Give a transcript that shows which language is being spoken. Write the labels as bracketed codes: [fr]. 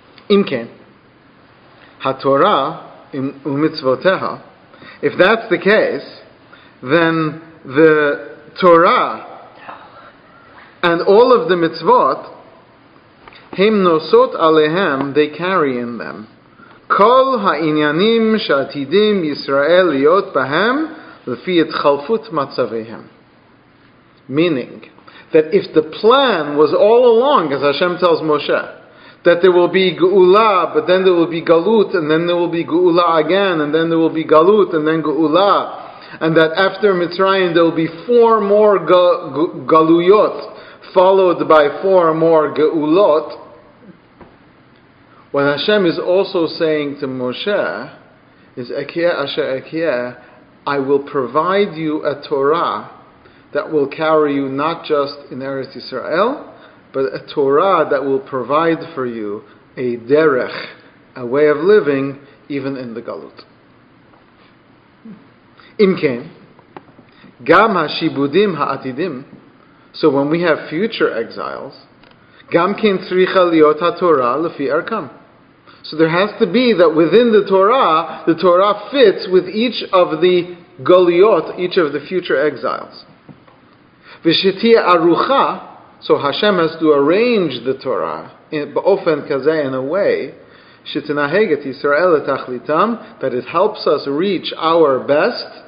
[he] אם כן, התורה ומצוותיה, [en] if that's the case, then the Torah and all of the mitzvot, [he] הם נוסעות עליהם, [en] they carry in them. [he] כל העניינים שעתידים ישראל להיות בהם, לפי התחלפות מצביהם. [en] Meaning, that if the plan was all along, as Hashem tells Moshe, that there will be geula, but then there will be galut, and then there will be geula again, and then there will be galut, and then geula, and that after Mitzrayim there will be four more galuyot, followed by four more geulot. What Hashem is also saying to Moshe is, [he] Ekyeh asher ekyeh, [en] I will provide you a Torah that will carry you not just in Eretz Yisrael, but a Torah that will provide for you a derech, a way of living, even in the galut. [he] אם כן, גם השיבודים העתידים, [en] so when we have future exiles, [he] גם כן צריכה להיות התורה לפי ערכם. [en] So there has to be that within the Torah fits with each of the goliot, each of the future exiles. [he] Veshetia arucha, [en] so Hashem has to arrange the Torah in [he] ba'ofen kaze, [en] in a way [he] shetinaheget Yisrael etachlitam, [en] that it helps us reach our best.